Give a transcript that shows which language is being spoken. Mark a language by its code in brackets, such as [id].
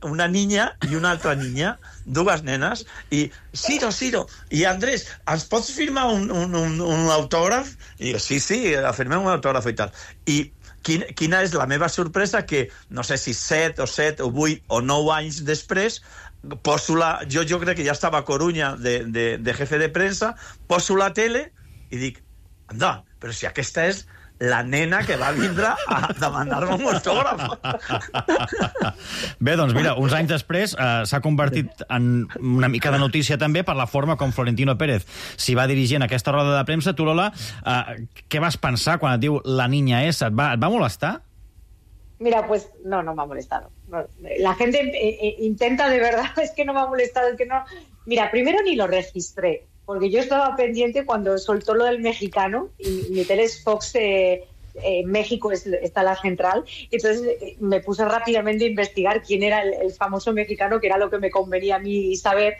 [es] una niña y una otra niña, dos nenas, y Ciro, Ciro, y Andrés, ¿os podéis firmar un autógrafo? Y yo, sí, firmé un autógrafo y tal. [ca] Y quina és la meva sorpresa, que no sé si 7 o 8 o 9 anys després poso la... Jo crec que ja estava a Coruña de jefe de premsa, poso la tele i dic, anda, però si aquesta és la nena que va vindre a demanar-me un autògraf. Bé, doncs mira, uns anys després s'ha convertit en una mica de notícia també per la forma com Florentino Pérez s'hi va dirigir en aquesta roda de premsa. Tu, Lola, què vas pensar quan et diu [es] la niña esa? [ca] Et va molestar? [es] Mira, pues no me ha molestado. La gente intenta de verdad, es que no me ha molestado. Es que no... Mira, primero ni lo registré. Porque yo estaba pendiente cuando soltó lo del mexicano, y mi tele es Fox México, está la central, y entonces me puse rápidamente a investigar quién era el famoso mexicano, que era lo que me convenía a mí saber,